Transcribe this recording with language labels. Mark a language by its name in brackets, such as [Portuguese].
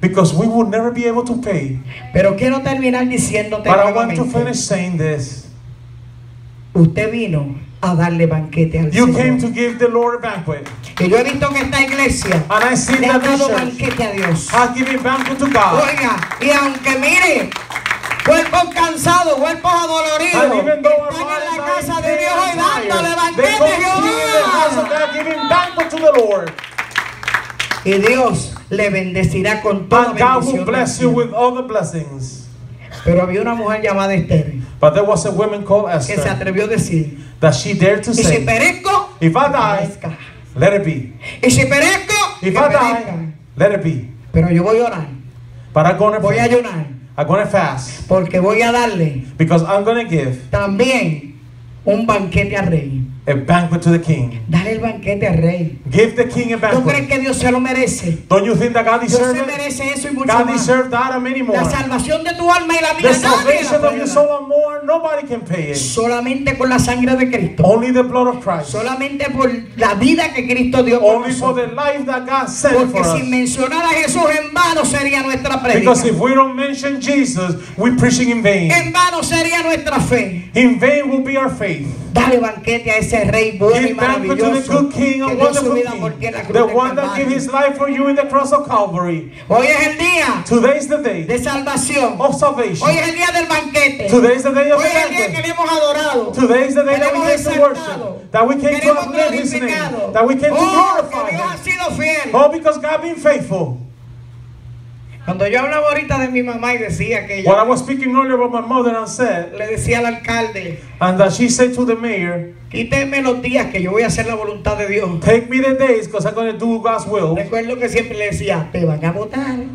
[English] Because we will never be able to pay. [Spanish] Pero quiero terminar diciéndote nuevamente. [English] But I want to finish saying this. [Spanish] Usted vino a darle banquete al Señor. [English] You came to give the Lord a banquet. [Spanish] Y yo he visto que esta iglesia [English] and I see [Spanish] le ha dado banquete a Dios. [English] Has given banquet to God. [Spanish] Oiga, y aunque mire, cuerpos cansados, cuerpos adoloridos, [English] and even though [Spanish] están en la casa de Dios hoy dándole banquete a Dios. [English] They come here in the house of God giving banquet to the Lord. [Spanish] Y Dios le bendecirá con toda bendición. [English] And God will bless you with all the blessings. [Spanish] Pero había una mujer llamada Esther. [English] But there was a woman called Esther [Spanish] que se atrevió a decir, [English] that she dared to [Spanish] y [English] say, [Spanish] si perezco, [English] if I die, let it be. [Spanish] Y si perezco, [English] if I die, let it be. [Spanish] Pero yo voy a orar. [English] But I'm going to pray. [Spanish] Voy a ayunar. [English] I'm going to fast. [Spanish] Porque voy a darle. [English] Because I'm going to give. [Spanish] También un banquete al rey. [English] A banquet to the king. [Spanish] Dale el banquete al rey. [English] Give the king a banquet. [Spanish] ¿Tú crees que Dios se lo merece? [English] Don't you think that God deserves it? [Spanish] Merece eso y mucho [English] God deserves that and many more. [Spanish] La salvación de tu alma y la mía, [English] the salvation of your soul and more, nobody can pay it. [Spanish] Solamente con la sangre de Cristo. [English] Only the blood of Christ. [Spanish] Solamente por la vida que Cristo dio. [English] Only for the life that God sent [Spanish] porque [English] for [Spanish] si Porque sin mencionar a Jesús en vano sería nuestra predica. [English] Because if we don't mention Jesus, we're preaching in vain. [Spanish] En vano sería nuestra fe. [English] In vain will be our faith. [Spanish] Dale banquete a ese rey bueno y maravilloso. [English] King, the one that gave his life for you in the cross of Calvary. [Spanish] Hoy es el día. [English] Today is the day. [Spanish] De salvación. [English] Of salvation. [Spanish] Hoy es el día del banquete. [English] Today is the day of [Spanish] hoy [English] the banquet. [Spanish] Hoy es el día que le hemos adorado. [English] Today is the day [Spanish] queremos [English] that we came to worship. That we came [Spanish] queremos [English] to uplift his name. That we came oh, to glorify him. [Spanish] Ha sido fiel. [English] All because God being faithful. [Spanish] Cuando yo hablaba ahorita de mi mamá y decía que ella, [English] when I was speaking earlier about my mother and said, [Spanish] le decía al alcalde, [English] and that she said to the mayor, [Spanish] quíteme los días que yo voy a hacer la voluntad de Dios. [English] Take me the days because I'm going to do God's will. [Spanish] Recuerdo que siempre le decía, te van a votar.